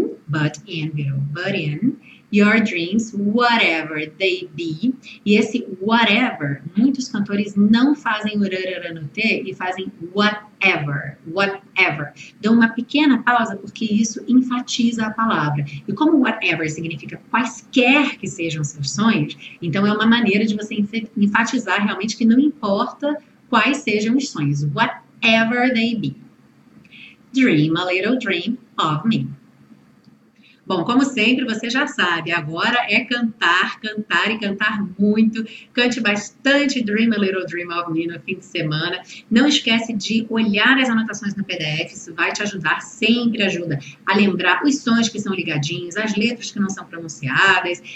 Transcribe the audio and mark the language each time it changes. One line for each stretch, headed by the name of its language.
English: But in your dreams, whatever they be.
Portuguese: E esse whatever, muitos cantores não fazem o rarara no T e fazem whatever, whatever. Dão uma pequena pausa porque isso enfatiza a palavra. E como whatever significa quaisquer que sejam seus sonhos, então é uma maneira de você enfatizar realmente que não importa quais sejam os sonhos,
English: whatever they be. Dream a little dream of me.
Portuguese: Bom, como sempre, você já sabe, agora é cantar, cantar e cantar muito. Cante bastante Dream a Little Dream of Me no fim de semana. Não esquece de olhar as anotações no PDF, isso vai te ajudar, sempre ajuda a lembrar os sons que são ligadinhos, as letras que não são pronunciadas.